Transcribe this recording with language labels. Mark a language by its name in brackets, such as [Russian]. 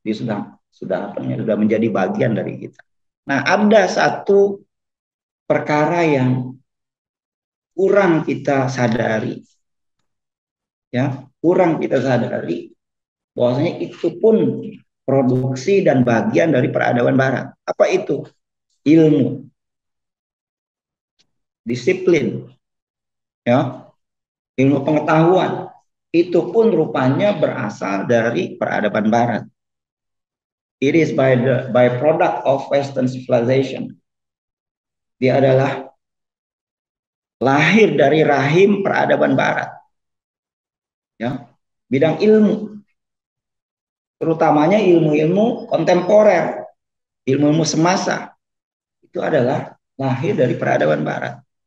[Indonesian] Dia sudah apa namanya sudah menjadi bagian dari kita. Nah, ada satu perkara yang kurang kita sadari, ya, kurang kita sadari bahwasanya itu pun produksi dan bagian dari peradaban barat. Apa itu? Ilmu, disiplin, ya, ilmu pengetahuan itu pun rupanya berasal dari peradaban barat. [English] It is by the by product of Western civilization. [Indonesian] Dia adalah lahir dari rahim peradaban barat. Ya, bidang ilmu. Terutamanya ilmu-ilmu kontemporer, ilmu-ilmu semasa. Itu adalah lahir dari peradaban barat.